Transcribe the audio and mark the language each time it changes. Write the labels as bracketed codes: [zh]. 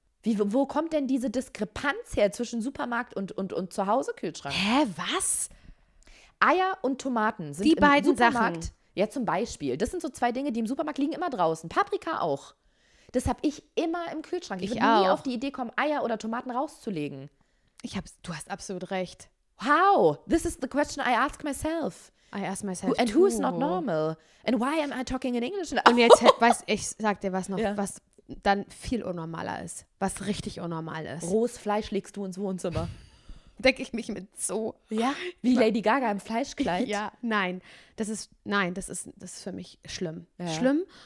[de] Wie, wo kommt denn diese Diskrepanz her zwischen Supermarkt und Zuhause-Kühlschrank? Hä, was? Eier und Tomaten sind die beiden im Supermarkt. Sachen. Ja, zum Beispiel. Das sind so zwei Dinge, die im Supermarkt liegen immer draußen. Paprika auch. Das habe ich immer im Kühlschrank. Ich würde nie auf die Idee kommen, Eier oder Tomaten rauszulegen. Du hast absolut recht. [en] How? This is the question I ask myself. I ask myself And too. Who is not normal? And why am I talking in English? [de] Und jetzt, ich sag dir was noch, yeah. Was dann viel unnormaler ist. Was richtig unnormal ist. Rohes Fleisch legst du ins Wohnzimmer. Denke ich mich mit so. Ja, wie Lady Gaga im Fleischkleid. Ja, nein, das ist für mich schlimm. Ja. Schlimm.